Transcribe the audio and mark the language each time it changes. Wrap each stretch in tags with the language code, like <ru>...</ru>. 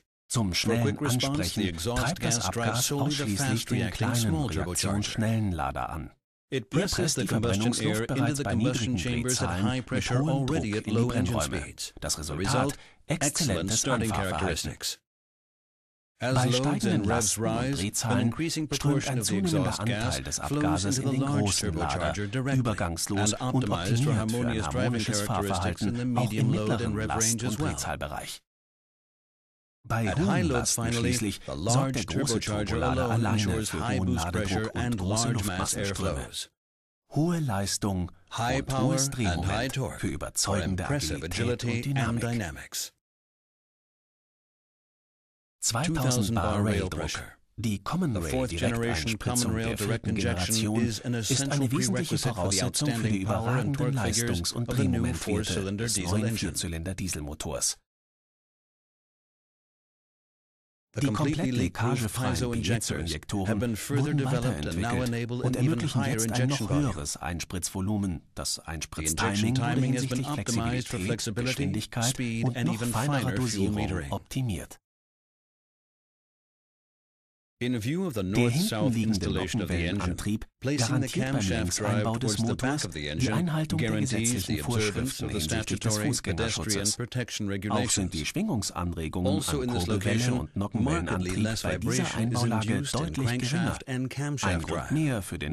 <de>Zum schnellen Ansprechen treibt das Abgas ausschließlich den kleinen reaktionsschnellen Lader an.</de> <en>It presses the combustion air into the combustion chambers at high pressure already at low engine speeds.</en> <de>Das Resultat,</de> <en>excellent starting characteristics. As loads and revs rise, an increasing proportion of the exhaust gas flows into the large turbocharger directly and optimized for harmonious driving characteristics in the medium load and rev range as well.</en> <de>Bei hohen Lasten schließlich sorgt der große Turbolader alleine für hohen Ladedruck und große Luftmassenströme. Hohe Leistung und hohes Drehmoment für überzeugende Agilität und Dynamik. 2000 Bar Raildruck. Die Common Rail Direkteinspritzung der vierten Generation ist eine wesentliche Voraussetzung für die überragenden Leistungs- und Drehmomentwerte des neuen Vierzylinder-Dieselmotors. Die komplett leckagefreien Piezo-Injektoren wurden weiterentwickelt und ermöglichen jetzt ein noch höheres Einspritzvolumen. Das Einspritztiming wurde hinsichtlich Flexibilität, Geschwindigkeit und noch feinerer Dosierung optimiert.</de> <en>In view of the north-south installation of the engine, placing the camshaft drive towards the back of the engine guarantees the observance of the statutory pedestrian protection regulations. Also in this location, markedly less vibration is induced in crankshaft and camshaft drive.</en>